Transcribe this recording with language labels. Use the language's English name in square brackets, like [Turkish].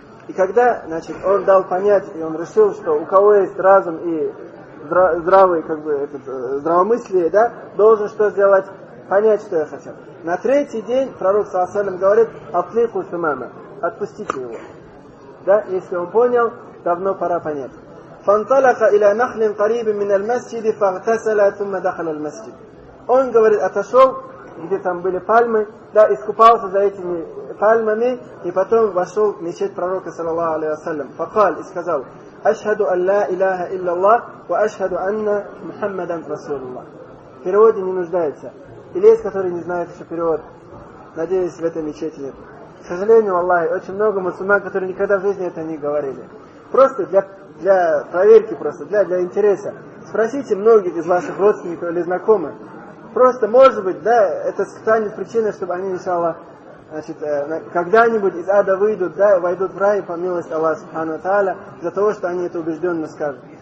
[Russian] И когда, значит, он дал понять, и он решил, что у кого есть разум и здравый, как бы, этот, здравомыслие, да, должен что сделать? Понять, что я хочу. На третий день пророк, саллаллаху алейхи вассалям, говорит: [Arabic] «Атлику сумама», [Russian] отпустите его. Да, если он понял, давно пора понять. [Arabic] فانطلق إلى نخل قريب من المسجد فاغتسل ثم دخل المسجد. [Russian] Он говорит, отошел, где там были пальмы, да, искупался за этими пальмами, и потом вошел в мечеть пророка, саллаллаху алейхи вассалям. [Arabic] فقال, [Russian] и сказал: [Arabic] أشهد أن لا إله إلا الله وأشهد أن محمدا رسول الله. [Russian] В переводе не нуждается. Или есть, который не знает еще перевод? Надеюсь, в этой мечети нет. К сожалению, Аллах, очень много мусульман, которые никогда в жизни это не говорили. Просто для проверки, просто для интереса. Спросите многих из ваших родственников или знакомых. Просто, может быть, да, это станет причиной, чтобы они, иншаллах, значит, когда-нибудь из ада выйдут, да, войдут в рай, по милости Аллаха субхана ва тааля, из-за того, что они это убежденно скажут.